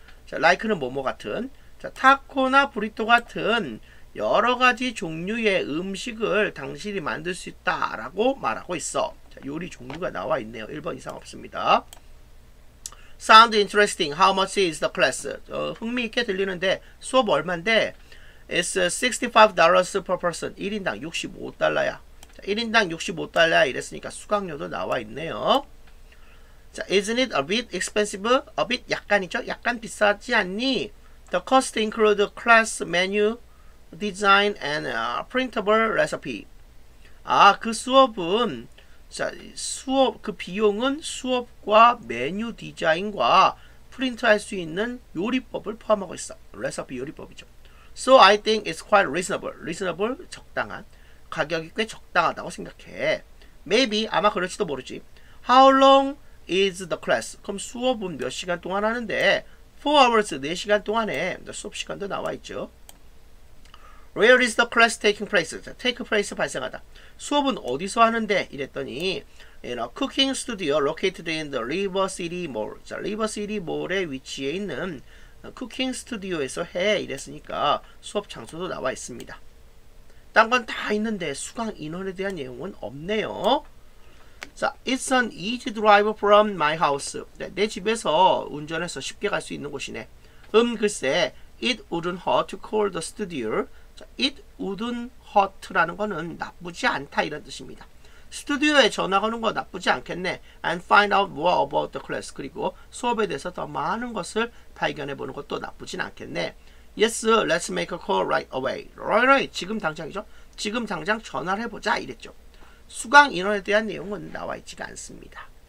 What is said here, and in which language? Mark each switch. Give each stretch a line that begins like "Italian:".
Korean: 자, like는 뭐뭐 같은. 자, 타코나 브리또 같은 여러 가지 종류의 음식을 당신이 만들 수 있다라고 말하고 있어. 자, 요리 종류가 나와 있네요. 1번 이상 없습니다.
English: Sound interesting. How much is the class?
Korean: 흥미있게 들리는데 수업 얼마인데?
English: It's $65 per person.
Korean: 1인당 65달러야. 자, 1인당 65달러야 이랬으니까 수강료도 나와 있네요.
English: 자, isn't it a bit expensive? A bit
Korean: 약간이죠? 약간 비싸지 않니?
English: The cost include class menu, design and printable recipe.
Korean: 아, 그 수업은 자, 수업 그 비용은 수업과 메뉴 디자인과 프린트할 수 있는 요리법을 포함하고 있어. 레시피 요리법이죠.
English: So I think it's quite reasonable.
Korean: Reasonable 적당한 가격이 꽤 적당하다고 생각해.
English: Maybe
Korean: 아마 그럴지도 모르지.
English: How long is the class?
Korean: 그럼 수업은 몇 시간 동안 하는데?
English: 4 hours
Korean: 4시간 동안에 수업 시간도 나와 있죠.
English: Where is the class taking place? Take place
Korean: 발생하다. 수업은 어디서 하는데? 이랬더니
English: in a cooking studio located in the River City Mall.
Korean: 자, River City Mall에 위치해 있는 cooking studio에서 해. 이랬으니까 수업 장소도 나와 있습니다. 딴 건 다 있는데 수강 인원에 대한 내용은 없네요.
English: 자, it's an easy drive from my house.
Korean: 네, 내 집에서 운전해서 쉽게 갈 수 있는 곳이네. 글쎄,
English: it wouldn't hurt to call the studio.
Korean: It wouldn't hurt라는 거는 나쁘지 않다 이런 뜻입니다. 스튜디오에 전화 거는 거 나쁘지 않겠네.
English: And find out more about the class.
Korean: 그리고 수업에 대해서 더 많은 것을 발견해 보는 것도 나쁘진 않겠네.
English: Yes, let's make a call right away. Right, right.
Korean: 지금 당장이죠. 지금 당장 전화를 해보자 이랬죠. 수강 인원에 대한 내용은 나와 있지가 않습니다.